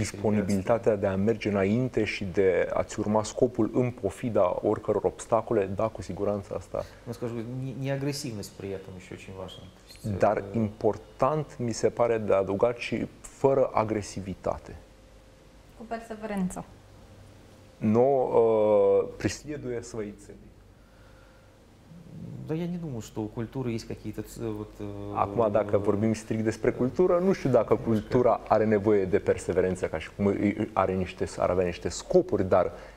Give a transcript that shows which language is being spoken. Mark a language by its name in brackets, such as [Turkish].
[Romanian] Disponibilitatea de a merge înainte și de a-ți urma scopul în pofida oricăror obstacole, da, cu siguranță asta. [Russian] Nu скажу, не агрессивность при этом ещё очень важно. [Romanian] Dar important mi se pare de adăugat și fără agresivitate. Cu perseverență. [Russian] Но преследуя свои цели. Да я не думаю, что у культуры есть какие-то вот. [Romanian] Acum dacă vorbim strict despre cultură, nu știu dacă cultura are nevoie de perseverență ca și cum ar avea niște scopuri, dar